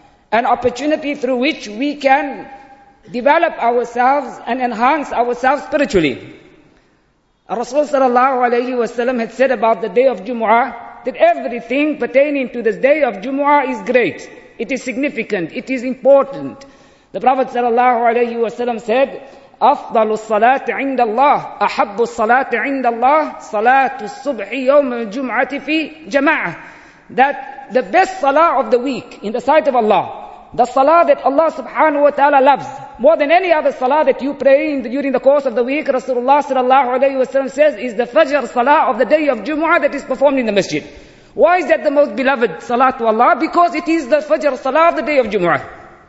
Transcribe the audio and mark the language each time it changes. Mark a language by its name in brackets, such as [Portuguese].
[English] An opportunity through which we can develop ourselves and enhance ourselves spiritually. Rasul sallallahu alayhi wa sallam had said about the day of Jumu'ah that everything pertaining to this day of Jumu'ah is great. It is significant. It is important. The Prophet sallallahu alayhi wa sallam said, [Arabic] أفضل الصلاة عند الله أحب الصلاة عند الله صلاة الصبح يوم الجمعة في جماعة. [English] That the best salah of the week in the sight of Allah, the salah that Allah subhanahu wa ta'ala loves more than any other salah that you pray in during the course of the week, Rasulullah sallallahu alayhi wa sallam says, is the Fajr salah of the day of Jumu'ah that is performed in the masjid. Why is that the most beloved salah to Allah? Because it is the Fajr salah of the day of Jumu'ah.